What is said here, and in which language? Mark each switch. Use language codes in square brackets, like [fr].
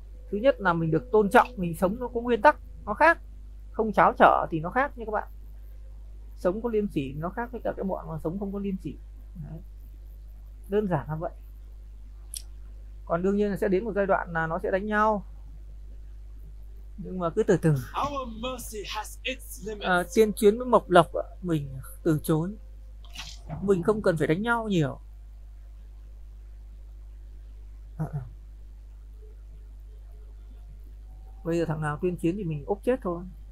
[vi] Thứ nhất là mình được tôn trọng, mình sống nó có nguyên tắc, nó khác, không cháo trở thì nó khác nha các bạn. Sống có liêm sỉ nó khác với cả cái bọn mà sống không có liêm sỉ đấy. Đơn giản là vậy. Còn đương nhiên là sẽ đến một giai đoạn là nó sẽ đánh nhau, nhưng mà cứ từ từ. [en] Our mercy has its limits. [vi] Tiên chiến với Mộc Lộc mình từ chối, mình không cần phải đánh nhau nhiều. Bây giờ thằng nào tuyên chiến thì mình úp chết thôi.